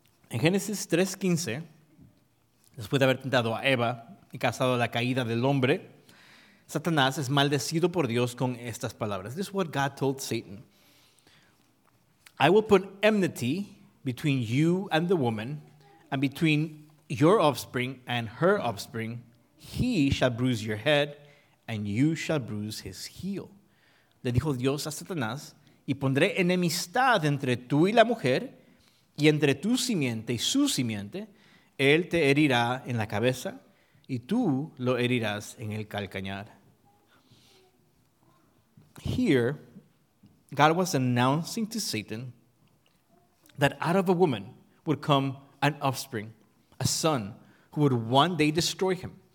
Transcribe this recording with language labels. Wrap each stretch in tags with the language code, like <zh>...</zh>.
<es>En Génesis 3:15, después de haber tentado a Eva y causado la caída del hombre, Satanás es maldecido por Dios con estas palabras.</es> <en>This is what God told Satan. I will put enmity between you and the woman, and between your offspring and her offspring. He shall bruise your head, and you shall bruise his heel.</en> <es>Le dijo Dios a Satanás, y pondré enemistad entre tú y la mujer, y entre tu simiente y su simiente, él te herirá en la cabeza y tú lo herirás en el calcañar.</es> <en>Here, God was announcing to Satan that out of a woman would come an offspring, a son, who would one day destroy him.</en>